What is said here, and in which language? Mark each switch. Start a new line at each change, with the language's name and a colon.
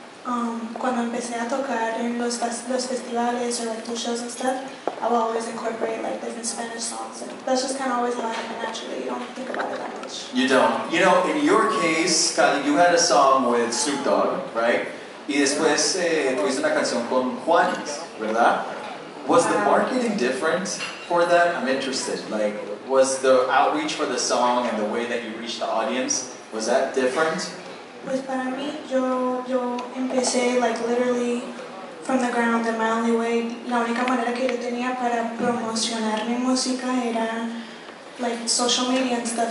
English: Cuando empecé a tocar en los festivales or like shows and stuff, I would always incorporate like different Spanish songs. And that's just kind of always how I happen naturally. You don't think about it that much. You don't. You know, in your case, Kali, you had a song with Snoop Dogg, right?
Spanish: Y después tuviste una canción con Juanes, ¿verdad?
English: Was the marketing different for that? I'm interested. Like, was the outreach for the song and the way that you reached the audience, was that different? Pues para mí, yo empecé like literally from the ground in my only way.
Spanish: La única manera que yo tenía para promocionar mi música era like social media and stuff.